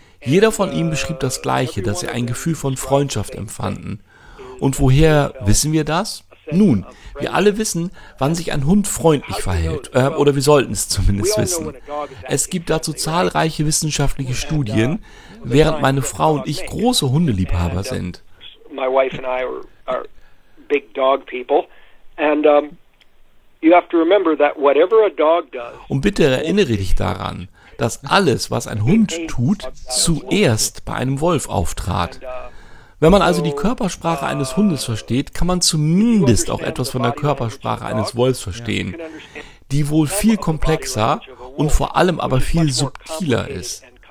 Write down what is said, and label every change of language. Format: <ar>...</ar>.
<de>Jeder von ihnen beschrieb das Gleiche, dass sie ein Gefühl von Freundschaft empfanden. Und woher wissen wir das? Nun, wir alle wissen, wann sich ein Hund freundlich verhält, oder wir sollten es zumindest wissen. Es gibt dazu zahlreiche wissenschaftliche Studien, während meine Frau und ich große Hundeliebhaber sind.</de> <en>My wife and I are big dog people. And you have to remember that whatever a dog does.</en> <de>Und bitte erinnere dich daran, dass alles, was ein Hund tut, zuerst bei einem Wolf auftrat. Wenn man also die Körpersprache eines Hundes versteht, kann man zumindest auch etwas von der Körpersprache eines Wolfs verstehen, die wohl viel komplexer und vor allem aber viel subtiler ist.</de>